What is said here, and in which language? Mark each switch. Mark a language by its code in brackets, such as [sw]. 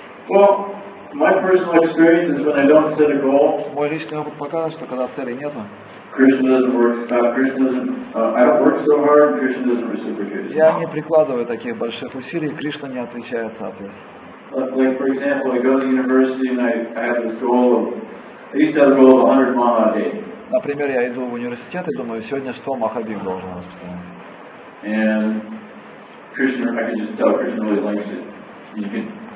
[en] Well, my personal experience is when I don't set a goal. [ru] Мой личный опыт показывает, что когда цели нету. Я не прикладываю таких больших усилий, Кришна не отвечает соответственно. [en] Like, for example, I go to university and I have a goal of 100 mana a day. [ru] Например, я иду в университет и думаю, сегодня 100 махадив должен распространять. [en] And Krishna, I can just tell Krishna really likes it.